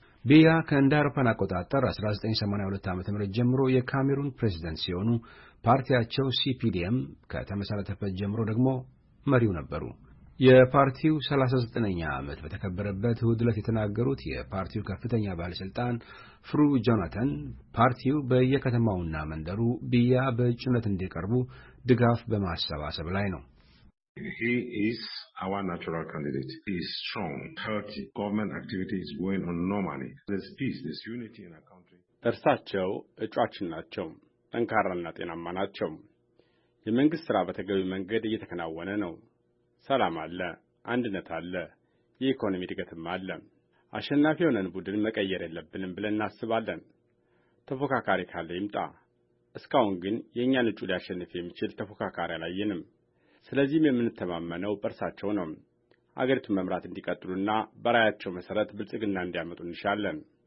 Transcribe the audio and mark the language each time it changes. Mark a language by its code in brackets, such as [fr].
[am] ቢያ ከእንዳረፋን አቆጣጠር 1982 ዓ.ም ጀምሮ የካሜሩን ፕሬዚደንት ሲሆኑ፣ ፓርቲያቸው ሲፒዲኤም ከተመሠረተበት ጀምሮ ደግሞ መሪው ነበሩ። የፓርቲው 39ኛ ዓመት በተከበረበት እሁድ ዕለት የተናገሩት የፓርቲው ከፍተኛ ባለሥልጣን ፍሩ ጆናታን ፓርቲው በየከተማውና መንደሩ ቢያ በእጩነት እንዲቀርቡ ድጋፍ በማሰባሰብ ላይ ነው። [en] He is our natural candidate. He is strong. Healthy government activity is going on normally. There's peace, there's unity in our country. [am] እርሳቸው እጩአችን ናቸው። ጠንካራና ጤናማ ናቸው። የመንግስት ሥራ በተገቢ መንገድ እየተከናወነ ነው። ሰላም አለ፣ አንድነት አለ፣ የኢኮኖሚ እድገትም አለ። አሸናፊ የሆነን ቡድን መቀየር የለብንም ብለን እናስባለን። ተፎካካሪ ካለ ይምጣ። እስካሁን ግን የእኛን እጩ ሊያሸንፍ የሚችል ተፎካካሪ አላየንም። ስለዚህም የምንተማመነው በእርሳቸው ነው። አገሪቱን መምራት እንዲቀጥሉና በራያቸው መሠረት ብልጽግና እንዲያመጡ እንሻለን።